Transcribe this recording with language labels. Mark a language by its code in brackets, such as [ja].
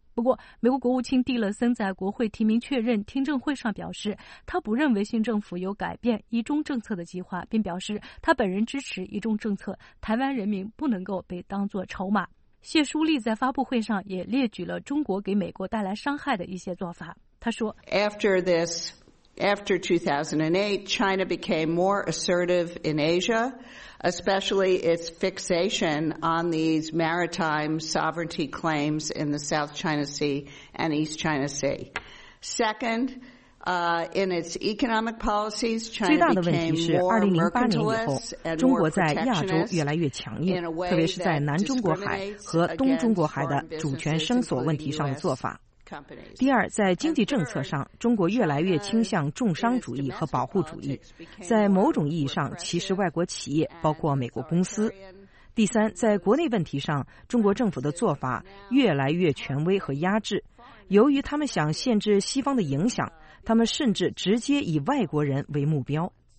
[zh] 不过美国国务卿蒂勒森在国会提名确认听证会上表示，他不认为新政府有改变一中政策的计划，并表示他本人支持一中政策，台湾人民不能够被当作筹码。谢淑丽在发布会上也列举了中国给美国带来伤害的一些做法。他说 [en] After 2008, China became more assertive in Asia, especially its fixation on these maritime sovereignty claims in the South China Sea and East China Sea. Second, in its economic policies, China became more mercantilist and more protectionist in a way that [zh] 第二，在经济政策上，中国越来越倾向重商主义和保护主义，在某种意义上歧视外国企业，包括美国公司。第三，在国内问题上，中国政府的做法越来越权威和压制，由于他们想限制西方的影响，他们甚至直接以外国人为目标。